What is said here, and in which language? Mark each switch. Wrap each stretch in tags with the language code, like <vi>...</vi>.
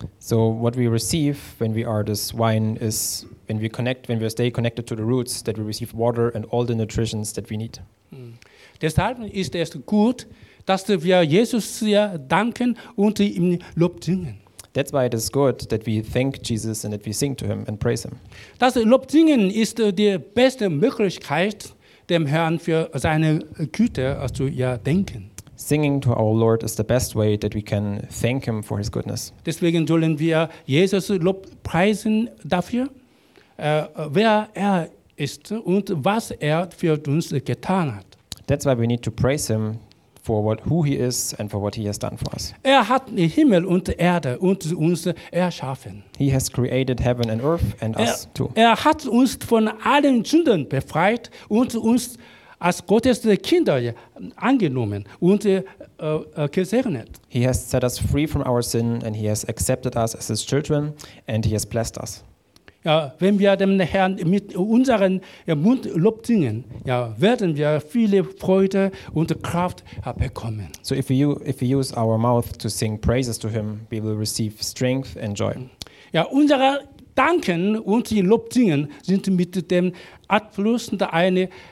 <en>So what we receive when we are this wine is when we stay connected to the roots, that we receive water and all the nutritions that we need.</en> <de>Deshalb ist es gut, dass wir Jesus danken und ihm Lob singen.</de> <en>That's why it is good that we thank Jesus and that we sing to him and praise him.</en> <de>Das Lob singen ist die beste Möglichkeit, dem Herrn für seine Güte zu danken.</de> <en>Singing to our Lord is the best way that we can thank him for his goodness.</en> <de>Deswegen sollen wir Jesus Lob preisen dafür, wer er ist und was er für uns getan hat.</de> <en>That's why we need to praise him for what who he is and for what he has done for us.</en> <de>Er hat den Himmel und die Erde und uns erschaffen.</de> <en>He has created heaven and earth and us too.</en> <de>Er hat uns von allen Sünden befreit und uns als Gottes Kinder angenommen und gesegnet.</de> <en>He has set us free from our sin and he has accepted us as his children and he has blessed us.</en> <de>Ja, wenn wir dem Herrn mit unserem Mund Lob singen, ja, werden wir viele Freude und Kraft bekommen.</de> <en>So if we use our mouth to sing praises to him, we will receive strength and joy.</en> <de>Ja, unsere Danken und die Lob singen sind mit dem abflussende eine</de>